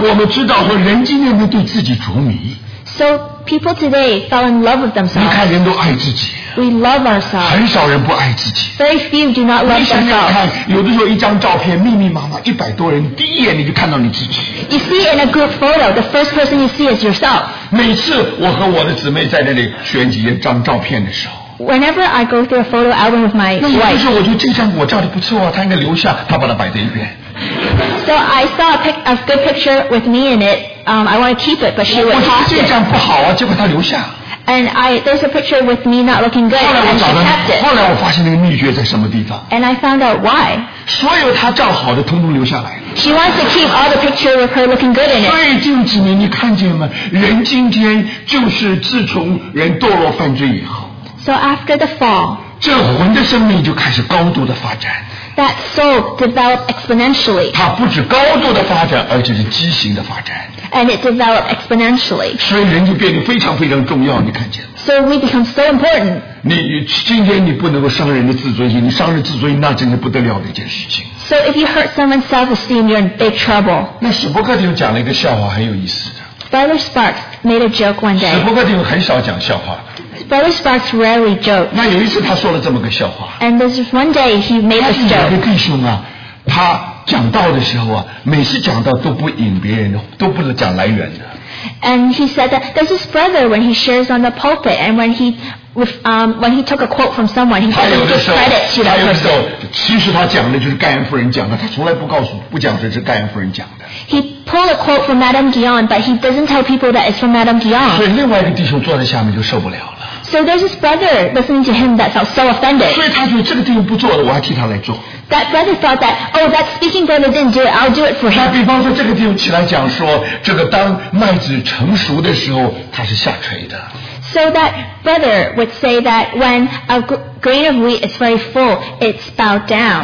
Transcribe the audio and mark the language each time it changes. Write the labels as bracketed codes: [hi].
[zh] 所以我们知道说，人今天都对自己着迷。 [en] So people today fell in love with themselves. [zh] 你看人都爱自己。 [en] We love ourselves. [zh] 很少人不爱自己。 [en] Very few do not love themselves. [zh] 你想想看，有的时候一张照片密密麻麻一百多人，第一眼你就看到你自己。 [en] You see in a group photo, the first person you see is yourself. [zh] 每次我和我的姊妹在那里选几张照片的时候。 [en] Whenever I go through a photo album with my wife. [zh] 那有的时候我觉得这张我照的不错啊，他应该留下，他把它摆在一边。 [en] So I saw a good picture with me in it. I want to keep it, but she would toss it. [zh] 我觉得这张不好啊，结果她留下。 [en] And there's a picture with me not looking good, and she kept it. [zh] 后来我发现那个秘诀在什么地方。 [en] And I found out why. [zh] 所有她照好的通通留下来。 [en] She wants to keep all the picture with her looking good in it. [zh] 所以近几年你看见吗？人今天就是自从人堕落犯罪以后。 [en] So after the fall. [zh] 这魂的生命就开始高度的发展。 [en] That soul developed exponentially. [zh] 它不止高度的发展，而且是畸形的发展。 [en] And it developed exponentially. [zh] 所以人就变得非常非常重要，你看见了。 [en] So we become so important. [zh] 你今天你不能够伤人的自尊心，你伤人自尊心，那真的不得了的一件事情。 [en] So if you hurt someone's self-esteem, you're in big trouble. [zh] 那史伯克丁讲了一个笑话，很有意思的。 [en] Brother Sparks made a joke one day. [zh] 史伯克丁很少讲笑话。 [en] Brother Sparks rarely joke. [zh] 那有一次他说了这么个笑话。 [en] And this is one day he made a joke. [zh] 他有一个弟兄啊，他讲道的时候啊，每次讲道都不引别人，都不讲来源的。 [en] And he said that there's this brother when he shares on the pulpit and when he took a quote from someone, he doesn't give credit to that person. [zh] 他有的时候，其实他讲的就是盖恩夫人讲的，他从来不告诉，不讲这是盖恩夫人讲的。 [en] He pulled a quote from Madame Guyon, but he doesn't tell people that it's from Madame Guyon. [zh] 所以另外一个弟兄坐在下面就受不了了。 [en] So there's this brother listening to him that felt so offended. [zh] 所以他觉得这个弟兄不做了，我还替他来做。 [en] That brother thought that, oh, that speaking brother didn't do it, I'll do it for him. [zh] 那比方说这个弟兄起来讲说，这个当麦子成熟的时候，它是下垂的。 [en] So that brother would say that when a grain of wheat is very full, it's bowed down.